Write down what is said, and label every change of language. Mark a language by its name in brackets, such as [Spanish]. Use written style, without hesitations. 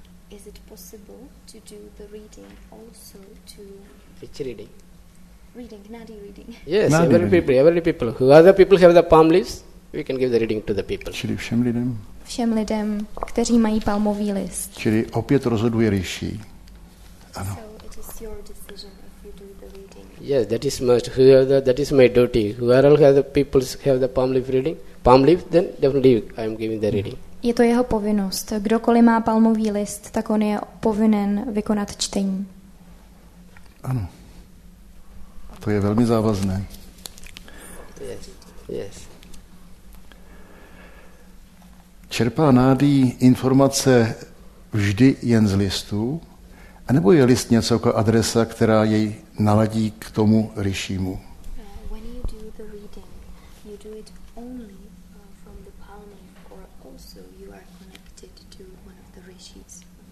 [English] Is it possible to do the reading also to... Which reading? Reading, Nadi reading. Yes, Nadi every people. Who other people have the palm leaves, we can give the reading to the people. [Czech] Čili všem lidem? Všem lidem, kteří mají palmový list. Čili opět rozhoduje rishi. Ano. [English] So it is your decision if you do the reading. Yes, that is my duty. Whoever has the people have the palm leaf reading, palm leaf, then definitely I am giving the reading. [Czech] Je to jeho povinnost. Kdokoliv má palmový list, tak on je povinen vykonat čtení. Ano. To je velmi závazné. [English] Yes. [Czech] Čerpá Nádi informace vždy jen z listu? A nebo je list něco jako adresa, která jej naladí k tomu rishímu? [English] When you do the reading, you do it only from the palm leaf, or also you are connected to one of the rishis.